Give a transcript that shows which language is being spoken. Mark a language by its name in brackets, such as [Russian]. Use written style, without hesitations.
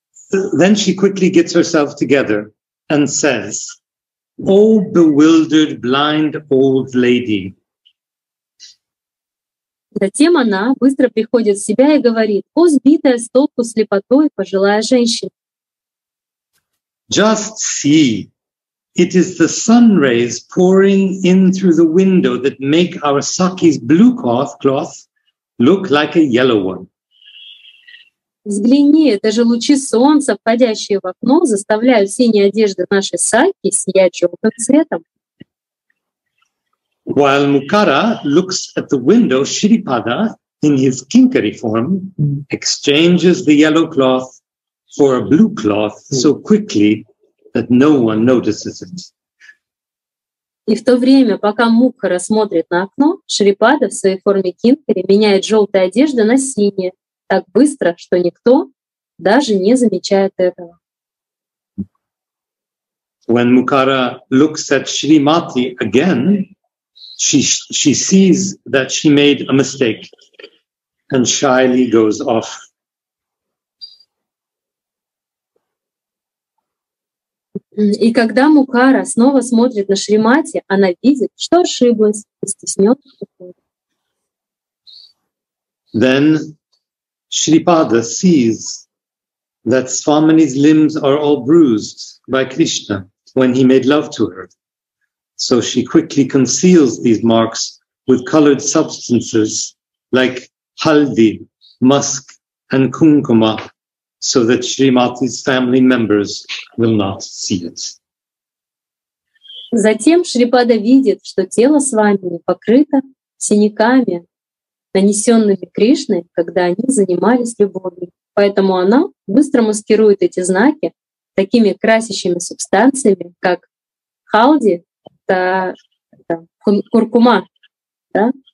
[English] Then she quickly gets herself together and says, "O bewildered, blind old lady." [Russian] Затем она быстро приходит в себя и говорит: "О сбитая с толку слепотой пожилая женщина." [English] Just see, it is the sun rays pouring in through the window that make our Saki's blue cloth look like a yellow one. [Russian] Взгляни, это же лучи солнца, входящие в окно, заставляют синие одежды нашей Саки сиять желтым цветом. [English] While Mukara looks at the window, Shripada, in his kinkari form, exchanges the yellow cloth for a blue cloth so quickly that no one notices it. [Russian] И в то время, пока Мукхара смотрит на окно, Шрипада в своей форме кинкари меняет желтые одежды на синие так быстро, что никто даже не замечает этого. [English] When Mukara looks at Shrimati again, she sees that she made a mistake and shyly goes off. [Russian] И когда Мукара снова смотрит на Шримати, она видит, что ошиблась и стеснёт. [English] Then Shripada sees that Swamini's limbs are all bruised by Krishna when he made love to her. So she quickly conceals these marks with colored substances like haldi, musk, and kunkuma, so that Shrimati's family members will not see it. [Russian] Затем Шрипада видит, что тело с вами покрыто синяками, нанесенными Кришной, когда они занимались любовью. Поэтому она быстро маскирует эти знаки такими красящими субстанциями, как халди, это куркума, да?